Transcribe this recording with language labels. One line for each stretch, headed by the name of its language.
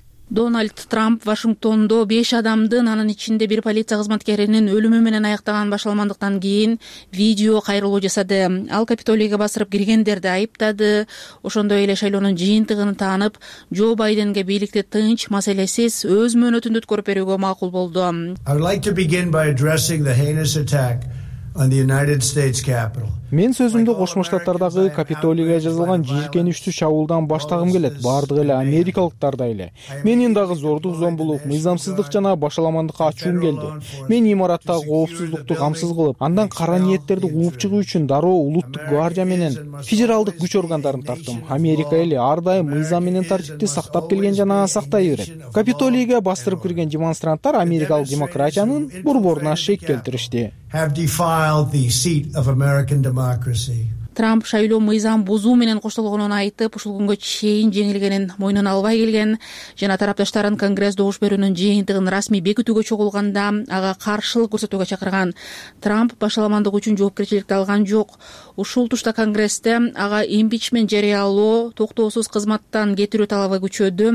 Kyrgyz: Дональд Трамп Вашингтондо 5 адамдын, анын ичинде бир полиция кызматкеринин өлүмү менен аяктаган башаламандыктан кийин видео кайрылуу жасады. Ал Капитолийге басырып киргендерди айыптады. Ошондой эле шайлоонун жыйынтыгын таанып, Джо Байденге бийликти тынч, маселесиз өз мөөнөтүндө өткөрүп берүүгө макул болду.
English: I would like to begin by addressing the heinous attack on the United States Capitol.
Kyrgyz: Мен сөзүмдү Кошмо Штаттардагы Капитолийге жазылган жийиркеничтүү чабуулдан баштагым келет. Бардыгы эле америкалыктардай эле. Менин дагы зордук зомбулук, мыйзамсыздык жана башаламандыкка ачуум келди. Мен имаратта коопсуздукту камсыз кылып, андан кара ниеттерди кууп чыгуу үчүн дароо улуттук гвардия менен федералдык күч органдарын тарттым. Америка эли ар дайым мыйзам менен тартипти сактап келген жана сактай берет. Капитолийге бастырып кирген демонстранттар америкалык демократиянын борборуна шек келтиришти.
English: Have defiled the seat of American democracy.
Kyrgyz: Трамп шайлоо мыйзам бузуу менен коштолгонун айтып, ушул күнгө чейин жеңилгенин мойнуна албай келген жана тарапташтарын Конгресс добуш берүүнүн жыйынтыгын расмий бекитүүгө чогулганда ага каршылык көрсөтүүгө чакырган. Трамп башаламандык үчүн жоопкерчиликти алган жок. Ушул тушта Конгрессте ага импичмент жарыялоо, токтоосуз кызматтан кетирүү талабы күчөдү.